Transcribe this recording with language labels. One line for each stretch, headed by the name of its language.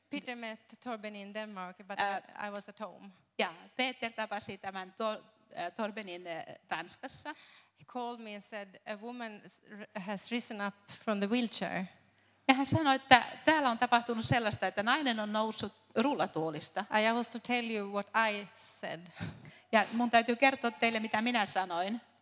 English: Peter met Torben in Denmark, but I was at home.
Finnish: Yeah, Peter tapasi tämän Torbenin Tanskassa.
English: He called me and said, a woman has risen up from the wheelchair.
Finnish: Ja hän sanoi, että täällä on tapahtunut sellaista, että nainen on noussut rullatuolista.
English: I was to tell you what I said.
Finnish: Ja mun täytyy kertoa teille, mitä minä sanoin.